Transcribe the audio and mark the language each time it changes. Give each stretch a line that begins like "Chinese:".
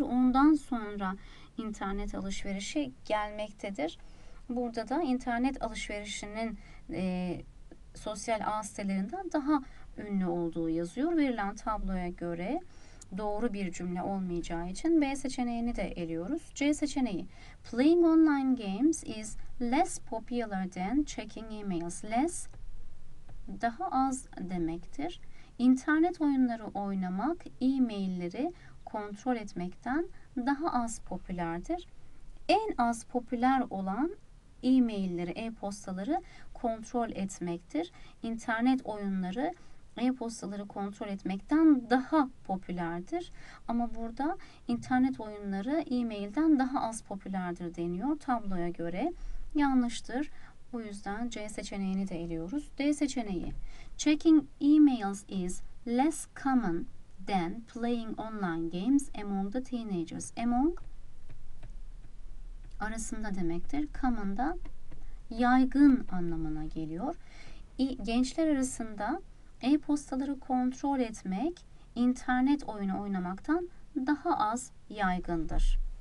Turkish: Ondan sonra internet alışverişi gelmektedir. Burada da internet alışverişinin sosyal ağ sitelerinden daha ünlü olduğu yazıyor. Verilen tabloya göre doğru bir cümle olmayacağı için B seçeneğini de eliyoruz. C seçeneği.
English: Playing online games is less popular than checking emails.
Turkish: Less daha az demektir. İnternet oyunları oynamak e-mailleri kontrol etmekten daha az popülerdir. En az popüler olan e-mailleri, e-postaları kontrol etmektir. İnternet oyunları e-postaları kontrol etmekten daha popülerdir. Ama burada internet oyunları e-mailden daha az popülerdir deniyor tabloya göre. Yanlıştır. O yüzden C seçeneğini de eliyoruz. D seçeneği.
English: Checking emails is less common than playing online games among the teenagers.
Turkish: Among arasında demektir. Common da yaygın anlamına geliyor. Gençler arasında e-postaları kontrol etmek internet oyunu oynamaktan daha az yaygındır.